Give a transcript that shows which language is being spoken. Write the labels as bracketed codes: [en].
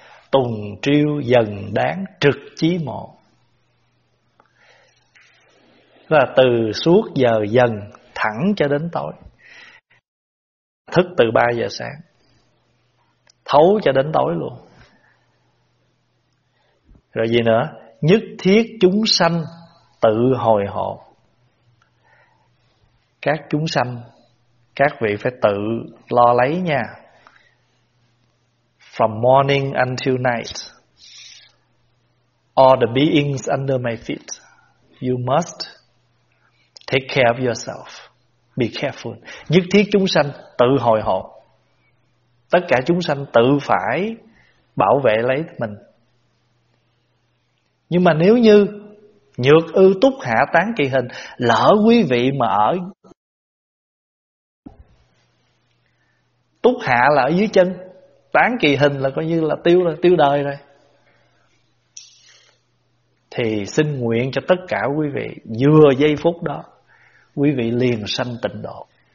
[vi] Tùng triêu dần đáng trực chí mộ, là từ suốt giờ dần thẳng cho đến tối, thức từ 3 giờ sáng thấu cho đến tối luôn. Rồi gì nữa? Nhất thiết chúng sanh tự hồi hộ. Các chúng sanh, các vị phải tự lo lấy nha. [en] From morning until night, all the beings under my feet, you must take care of yourself. Be careful. [vi] Nhất thiết chúng sanh tự hồi hộ. Tất cả chúng sanh tự phải bảo vệ lấy mình. Nhưng mà nếu như nhược ư túc hạ tán kỳ hình, lỡ quý vị mà ở túc hạ là ở dưới chân, tán kỳ hình là coi như là tiêu đời rồi, thì xin nguyện cho tất cả quý vị vừa giây phút đó quý vị liền sanh tịnh độ.